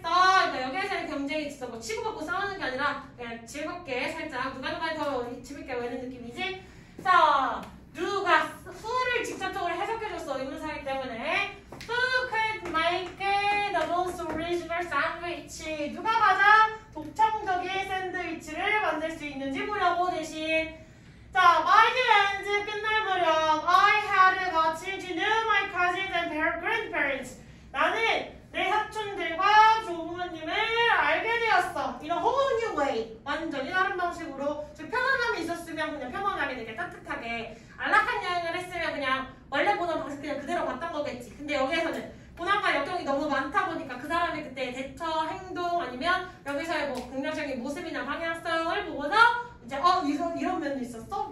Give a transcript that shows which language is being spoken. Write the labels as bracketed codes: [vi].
[ko] 그러니까 여기에서는 경쟁이 있어. 뭐 치고받고 싸우는 게 아니라 그냥 즐겁게 살짝 누가 누가 더 재밌게 외는 느낌이지. 자, 누가 who를 직접적으로 해석해줬어. 의문사이기 때문에 [en] who could make the most original sandwich? [ko] 누가 가장 독창적인 샌드위치를 만들 수 있는지 보려고 대신. [en] 자, by the end, [ko] 끝날 무렵, [en] I had got to know my cousins and their grandparents. [ko] 나는 내 사촌들과 조부모님을 알게 되었어. [en] In a whole new way. [ko] 완전히 다른 방식으로. 즉, 편안함이 있었으면 그냥 편안하게 되게 따뜻하게. 안락한 여행을 했으면 그냥 원래 보던 방식 그냥 그대로 봤던 거겠지. 근데 여기에서는 고난과 역경이 너무 많다 보니까 그 사람의 그때 대처, 행동, 아니면 여기서의 뭐 긍정적인 모습이나 방향성을 보고서 이제 이런 면도 있었어?